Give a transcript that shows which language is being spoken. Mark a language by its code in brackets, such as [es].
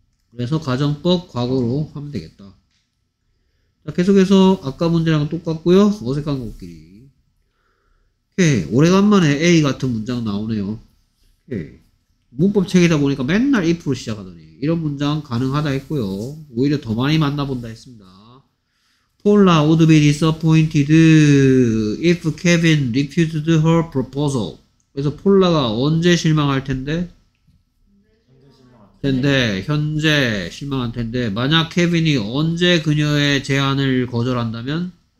[ko] 그래서 가정법 과거로 하면 되겠다. 자, 계속해서 아까 문제랑 똑같고요. 어색한 것끼리. 오케이. 오래간만에 A 같은 문장 나오네요. 오케이. 문법책이다 보니까 맨날 if로 시작하더니 이런 문장 가능하다 했고요. 오히려 더 많이 만나본다 했습니다. [en] 폴라 would be disappointed if Kevin refused her proposal. [ko] 그래서 폴라가 언제 실망할 텐데? 텐데 현재 실망할 텐데 만약 케빈이 언제 그녀의 제안을 거절한다면?